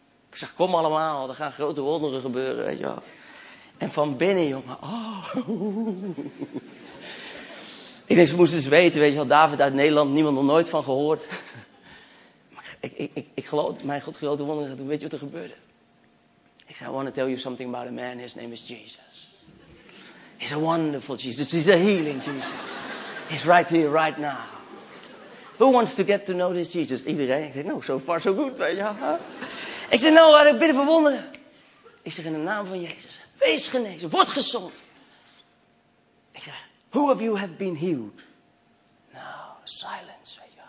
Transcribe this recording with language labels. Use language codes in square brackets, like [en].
[nl] Ik zeg, kom allemaal, er gaan grote wonderen gebeuren, weet je wel. En van binnen, jongen, oh. Ik denk, ze moesten eens weten, weet je wel, David uit Nederland, niemand nog nooit van gehoord. Ik geloof, mijn God, grote wonder, weet je wat er gebeurde? Ik zei, [en] I want to tell you something about a man, his name is Jesus. He's a wonderful Jesus, he's a healing Jesus. He's right here, right now. Who wants to get to know this Jesus? [nl] Iedereen. Ik zei, [en] no, so far so good. [nl] Ja. Ik zei, nou, ik bid voor wonderen. Ik zeg, in de naam van Jezus, wees genezen, word gezond. Ik zeg, [en] who of you have been healed? [nl] Nou, [en] silence.